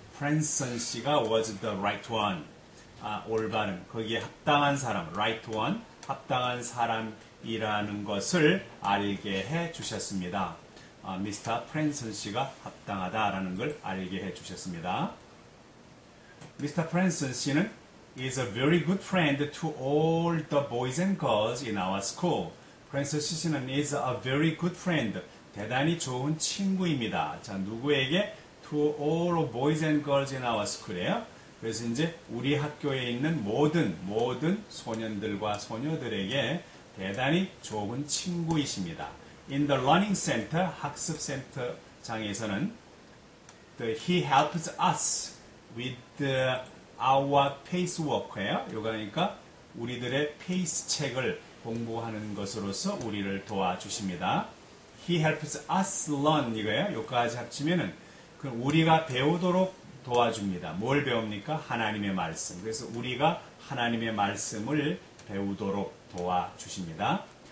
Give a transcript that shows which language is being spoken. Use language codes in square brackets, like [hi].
[en] Franson 씨가 was the right one. [ko] 아, 올바른. 거기에 합당한 사람. [en] Right one. [ko] 합당한 사람. 이라는 것을 알게 해 주셨습니다. 아, 미스터 프랜슨 씨가 합당하다라는 걸 알게 해 주셨습니다. 미스터 프랜슨 씨는 [en] is a very good friend to all the boys and girls in our school. 프랜슨 씨는 is a very good friend. [ko] 대단히 좋은 친구입니다. 자, 누구에게? [en] To all boys and girls in our school에요. [ko] 그래서 이제 우리 학교에 있는 모든 소년들과 소녀들에게 대단히 좋은 친구이십니다. [en] In the learning center, [ko] 학습 센터장에서는 [en] he helps us with our pace work예요. [ko] 요거니까 그러니까 우리들의 페이스 책을 공부하는 것으로서 우리를 도와주십니다. [en] He helps us learn [ko] 이거예요. 요까지 합치면은 우리가 배우도록 도와줍니다. 뭘 배웁니까? 하나님의 말씀. 그래서 우리가 하나님의 말씀을 배우도록 도와주십니다.